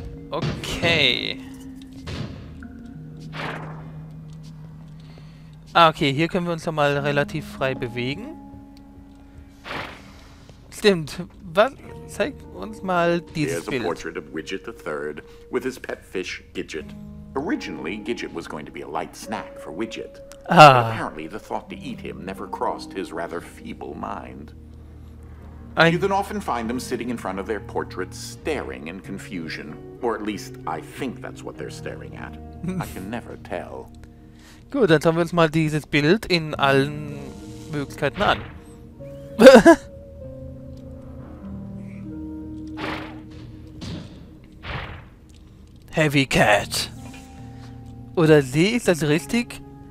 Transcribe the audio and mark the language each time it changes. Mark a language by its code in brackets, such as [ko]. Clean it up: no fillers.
[de] Okay. Ah, okay, hier können wir uns nochmal relativ frei bewegen. Stimmt. Was? Zeig uns mal dieses Bild. [en] Here's a portrait of Widget the Third with his pet fish Gidget. Originally, Gidget was going to be a light snack for Widget. Ah. But apparently, the thought to eat him never crossed his rather feeble mind. You then often find them sitting in front of their portraits, staring in confusion. Or at least, I think that's what they're staring at. I can never tell. [de] Gut, dann schauen wir uns mal dieses Bild in allen Möglichkeiten an. Heavy Cat. Oder sehe ich das richtig?